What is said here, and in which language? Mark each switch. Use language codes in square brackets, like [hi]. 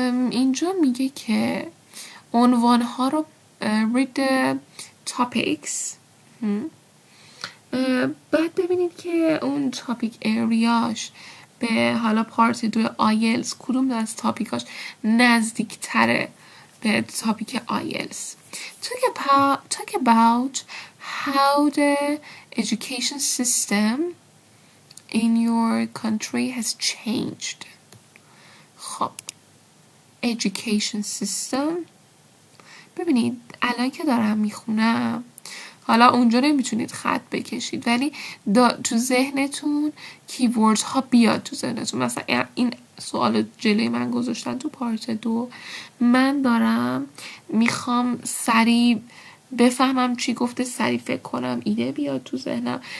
[fa] اینجا میگه که عنوان ها رو [en] read the topics، [fa] بعد ببینید که اون topic areaش به حالا پارت 2 IELTS کدوم از topicاش نزدیک تره به topic IELTS. [en] talk about how the education system in your country has changed. [fa] خب education system، ببینید الان که دارم میخونم، حالا اونجا نمیتونید خط بکشید، ولی تو ذهنتون کیورد ها بیاد تو ذهنتون. مثلا این سوال جلوی من گذاشتن تو پارت 2، من دارم میخوام سریع بفهمم چی گفته، سریع فکر کنم، ایده بیاد تو ذهنم.